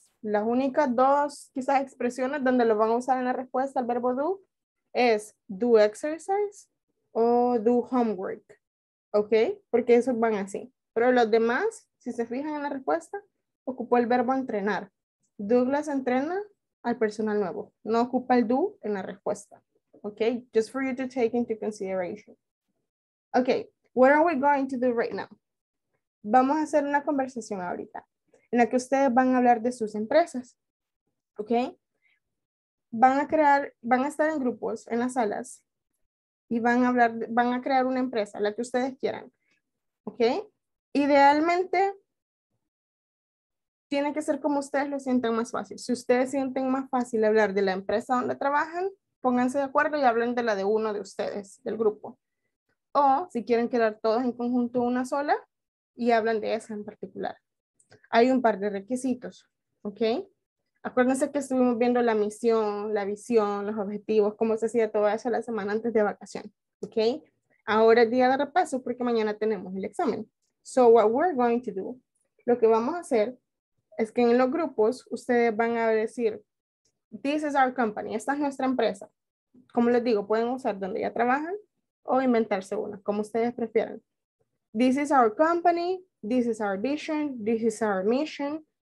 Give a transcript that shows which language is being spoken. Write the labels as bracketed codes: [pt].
[es] Las únicas dos quizás expresiones donde lo van a usar en la respuesta al verbo do es do exercise o do homework. Okay? Porque esos van así. Pero los demás, si se fijan en la respuesta, ocupó el verbo entrenar. Douglas entrena al personal nuevo. No ocupa el do en la respuesta. [en] Okay, just for you to take into consideration. Okay, what are we going to do right now? [es] Vamos a hacer una conversación ahorita en la que ustedes van a hablar de sus empresas. Okay, van a crear, van a estar en grupos en las salas y van a hablar, van a crear una empresa, la que ustedes quieran. Okay, idealmente tiene que ser como ustedes lo sientan más fácil. Si ustedes sienten más fácil hablar de la empresa donde trabajan, pónganse de acuerdo y hablen de la de uno de ustedes, del grupo. O si quieren quedar todos en conjunto una sola y hablan de esa en particular. Hay un par de requisitos, ¿ok? Acuérdense que estuvimos viendo la misión, la visión, los objetivos, cómo se hacía todo eso la semana antes de vacación, ¿ok? Ahora es día de repaso porque mañana tenemos el examen. [en] So what we're going to do, [es] lo que vamos a hacer es que en los grupos ustedes van a decir, [en] this is our company, [es] esta es nuestra empresa. Como les digo, pueden usar donde ya trabajan o inventarse una, como ustedes prefieran. [en] This is our company, this is our vision, this is our mission.